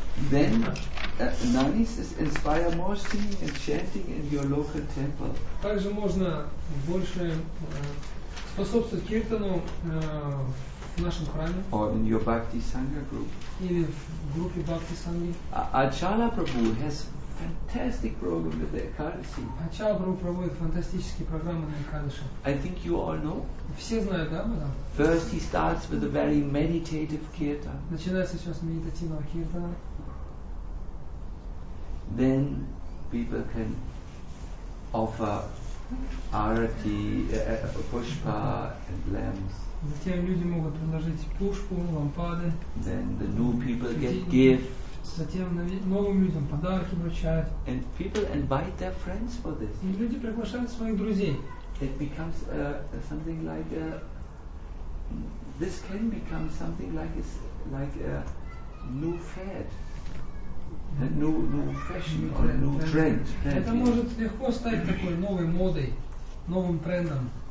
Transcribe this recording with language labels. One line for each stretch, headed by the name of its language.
English: Then nannies is inspire more singing and chanting in your local temple.
Russian: Также можно больше способствовать киртану в нашем храме.
English: Or in your Bhakti Sangha group.
Russian: Или в группе Bhakti Sangha.
English: Achala Prabhu has fantastic program with the Ekadashi.
Russian: Achala Prabhu проводит фантастические программы на Экадаши.
English: I think you all know.
Russian: Все знают, да, мадам?
English: First he starts with a very meditative kirtan.
Russian: Начинается сейчас медитативного киртана.
English: Then people can offer arati, pushpa and lamps.
Russian: Затем люди могут предложить пушпу, лампады.
English: Then the new people get gifts.
Russian: Затем новым людям подарки вручают.
English: And people invite their friends for this.
Russian: И люди приглашают своих друзей.
English: It becomes something like a. This can become something like a new fad. A new fashion or a new trend.
Russian: Это может легко стать такой новой модой, новым трендом.